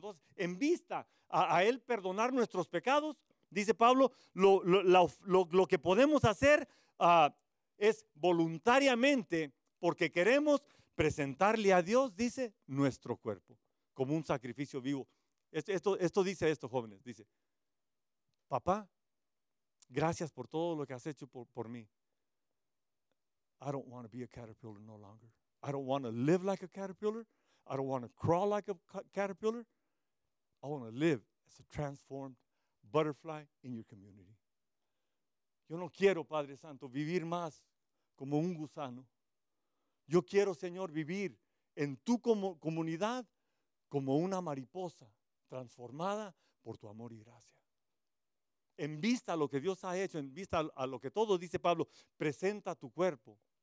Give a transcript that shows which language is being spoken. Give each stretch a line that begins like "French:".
Spanish: Entonces, en vista a Él perdonar nuestros pecados, dice Pablo, lo que podemos hacer es voluntariamente, porque queremos presentarle a Dios, dice, nuestro cuerpo como un sacrificio vivo. Esto dice esto, jóvenes, dice, papá, gracias por todo lo que has hecho por mí.
English: I don't want to be a caterpillar no longer. I don't want to live like a caterpillar. I don't want to crawl like a caterpillar. I want to live as a transformed butterfly in your community.
Spanish: Yo no quiero, Padre Santo, vivir más como un gusano. Yo quiero, Señor, vivir en tu comunidad como una mariposa transformada por tu amor y gracia. En vista a lo que Dios ha hecho, en vista a lo que todo dice Pablo, presenta tu cuerpo.